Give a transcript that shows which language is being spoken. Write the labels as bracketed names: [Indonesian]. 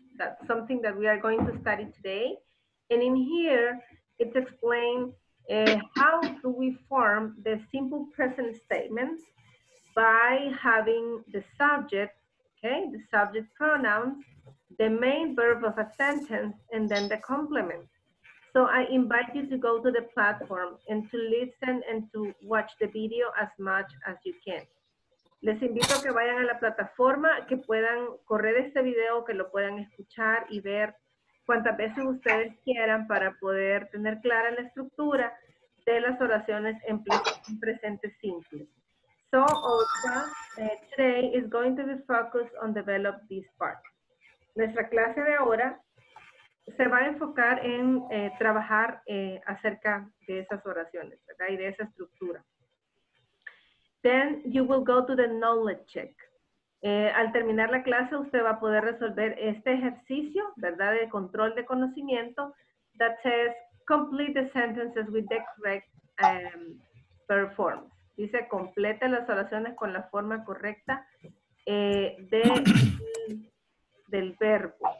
[English] That's something that we are going to study today. And in here, it's explained how do we form the simple present statements by having the subject, okay, the subject pronouns, the main verb of a sentence, and then the complement. So I invite you to go to the platform and to listen and to watch the video as much as you can. [Spanish] Les invito a que vayan a la plataforma, que puedan correr este video, que lo puedan escuchar y ver cuántas veces ustedes quieran para poder tener clara la estructura de las oraciones en presente simple. [English] So our class today is going to be focused on develop this part. [Spanish] Nuestra clase de ahora se va a enfocar en trabajar acerca de esas oraciones, ¿verdad? Y de esa estructura. [English] Then you will go to the knowledge check. [Spanish] Al terminar la clase, usted va a poder resolver este ejercicio, ¿verdad? De control de conocimiento, [English] that says, complete the sentences with the correct verb forms. [Spanish] Dice, complete las oraciones con la forma correcta del verbo.